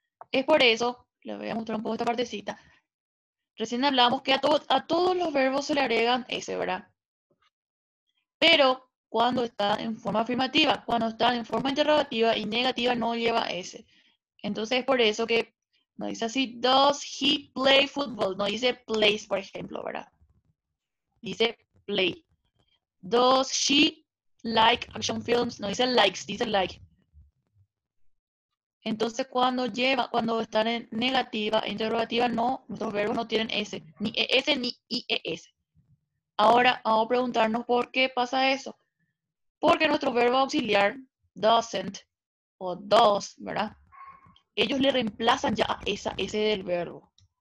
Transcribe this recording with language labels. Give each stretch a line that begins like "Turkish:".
Spanish: Es por eso, les voy a mostrar un poco esta partecita. Recién hablamos que a todos los verbos se le agregan S, ¿verdad? Pero cuando está en forma afirmativa, cuando está en forma interrogativa y negativa, no lleva S. Entonces es por eso que no dice así,
English: does he play football?
Spanish: No dice plays, por ejemplo, ¿verdad? Dice play.
English: Does she like action films?
Spanish: No dice likes, dice like. Entonces cuando están en negativa e interrogativa, no, nuestros verbos no tienen S, ni ES ni IES. Ahora vamos a preguntarnos por qué pasa eso. Porque nuestro verbo auxiliar doesn't o does, ¿verdad? Ellos le reemplazan ya esa S del verbo.